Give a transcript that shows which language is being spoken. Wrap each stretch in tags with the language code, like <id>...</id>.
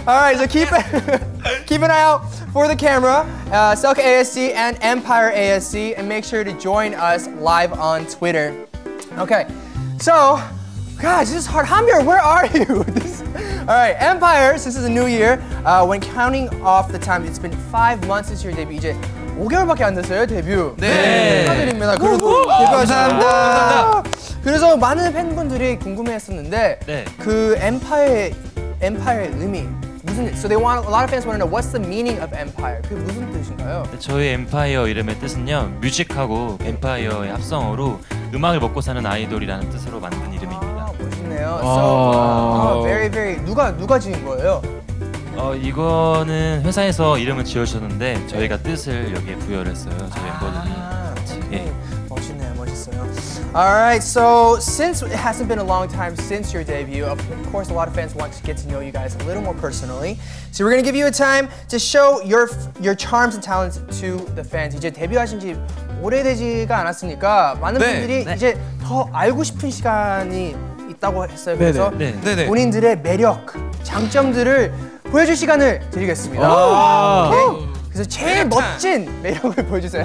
<en>All right, so keep an eye out for the camera, Selka ASD and Empire ASD, and make sure to join us live on Twitter. Okay, so, gosh, this is hard. Hamir, where are you? All right, Empire, since it's a new year, when counting off the time, it's been 5 months since your debut, EJ.</en> <ko>5개월밖에 안 됐어요, 데뷔. 네. 축하드립니다. 그리고 감사합니다. 그래서 많은 팬분들이 궁금해했었는데 네. 그 엠파이어의 의미 무슨</ko> <en>so they want a lot of fans want to know what's the meaning of Empire.</en> <ko>그게 무슨 뜻인가요? 저희 엠파이어 이름의 뜻은요. 뮤직하고 엠파이어의 합성어로 음악을 먹고 사는 아이돌이라는 뜻으로 만든 이름입니다. 아, 멋있네요.</ko> <en>So very</en> <ko>누가 지은 거예요? 이거는 회사에서 이름을 지어주셨는데 저희가 뜻을 여기에 부여를 했어요. 저희 멤버들이 같이. 네. 멋있네요. 멋있어요.</ko> <en>Alright, so since it hasn't been a long time since your debut, of course a lot of fans want to get to know you guys a little more personally. So we're going to give you a time to show your charms and talents to the fans.</en> <ko>이제 데뷔하신 지 오래되지가 않았으니까 많은 네, 분들이 네. 이제 더 알고 싶은 시간이 있다고 했어요. 그래서 네, 네. 네, 네. 본인들의 매력, 장점들을 보여줄 시간을 드리겠습니다. 그래서 제일 매력찬. 멋진 매력을 보여주세요.</ko>